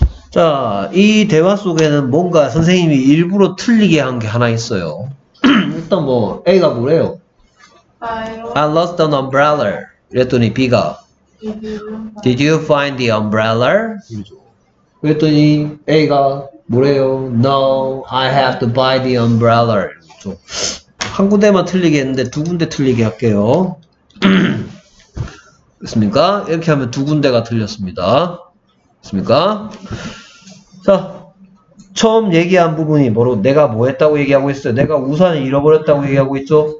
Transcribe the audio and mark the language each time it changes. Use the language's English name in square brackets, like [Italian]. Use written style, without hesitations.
[Korean] 자, 이 대화 속에는 뭔가 선생님이 일부러 틀리게 한 게 하나 있어요. 일단 뭐 A가 뭐래요? [English] I lost an umbrella. [Korean] 그랬더니 B가 [English] Did you find the umbrella? [Korean] 그랬더니 A가 뭐래요? [English] No, I have to buy the umbrella. [Korean] 한 군데만 틀리겠는데 두 군데 틀리게 할게요. 됐습니까? 이렇게 하면 두 군데가 틀렸습니다. 됐습니까? 자, 처음 얘기한 부분이 뭐로 내가 뭐 했다고 얘기하고 있어요? 내가 우산을 잃어버렸다고 얘기하고 있죠?